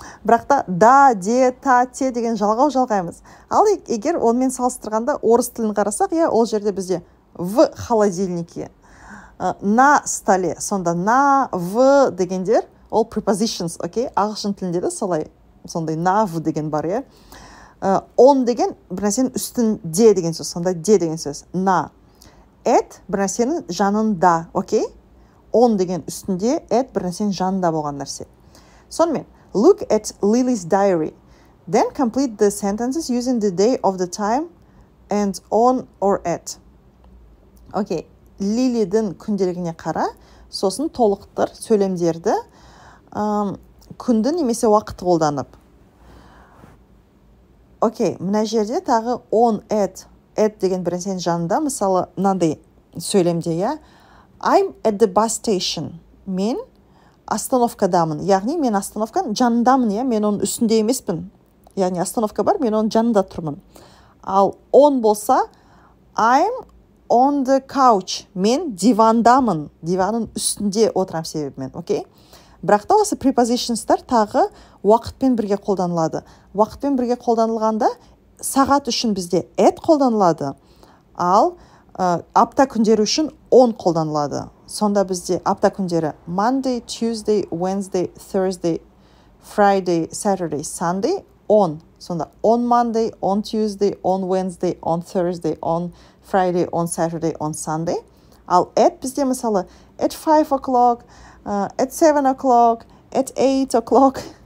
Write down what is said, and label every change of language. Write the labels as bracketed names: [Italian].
[Kazakh] Бірақ та да, де, та, те деген жалғау жалғаймыз. Ал егер онымен салыстырғанда орыс тілін қарасақ, ол жерде бізде [Russian] в холодильнике, на столе, [Kazakh] сонда на, в дегендер ол prepositions, окей? Ағылшын тілінде де солай, сондай на, в деген бар, е? On деген бір нәрсенің үстінде деген сөз, сонда де деген сөз, на. At бір нәрсенің жанында, окей? On деген үстінде, at бір нәрсенің жанында болған нәрсе. Сонымен, [English] look at Lily's diary. Then complete the sentences using the day of the time and on or at. [Kazakh] Окей, Лилидің күнделігіне қара, сосын толықтыр сөйлемдерді күнді немесе уақыт қолданып. Окей, мына жерде тағы on, at. At деген бір нәрсенің жанында, мысалы, мынандай сөйлемде, иә. [English] I'm at the bus station. [Kazakh] Мен остановкадамын. Яғни, мен остановканың жанындамын, иә. Мен оның үстінде емеспін. Яғни, остановка бар, мен оның жанында тұрмын. Ал [English] on [Kazakh] болса, [English] I'm on the couch. [Kazakh] Мен дивандамын. Диванның үстінде отырамын себебімен, окей? Бірақ та осы prepositions-тар тағы уақытпен бірге қолданылады. Уақытпен бірге қолданылғанда сағат үшін бізде at қолданылады, ал апта күндері үшін on қолданылады. Сонда бізде апта күндері [English] Monday, Tuesday, Wednesday, Thursday, Friday, Saturday, Sunday, on. [Kazakh] Сонда [English] on Monday, on Tuesday, on Wednesday, on Thursday, on Friday, on Saturday, on Sunday. [Kazakh] Ал [English] at [Kazakh] бізде мысалы [English] at 5 o'clock, at 7 o'clock, at 8 o'clock.